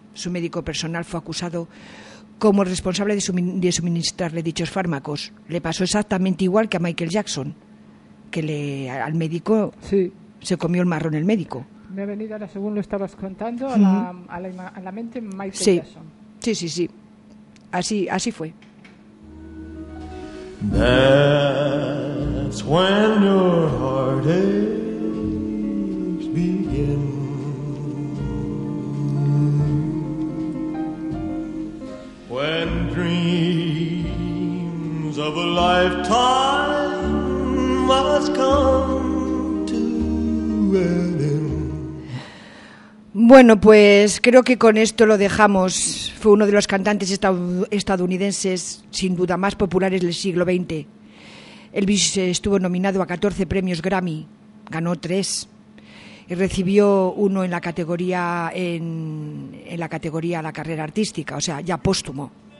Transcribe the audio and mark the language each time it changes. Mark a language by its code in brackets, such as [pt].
[es] Su médico personal fue acusado como responsable de suministrarle dichos fármacos. Le pasó exactamente igual que a Michael Jackson, que al médico sí. Se comió el marrón el médico. Me ha venido ahora, según lo estabas contando, a la mente Michael sí. Jackson. Sí, sí, sí. Así fue. [en] That's when your heart aches begin. When dreams of a lifetime must come to an end. [es] Bueno, pues creo que con esto lo dejamos. Fue uno de los cantantes estadounidenses, sin duda, más populares del siglo XX. Elvis estuvo nominado a 14 premios Grammy, ganó 3. Y recibió uno en la categoría la carrera artística, o sea, ya póstumo.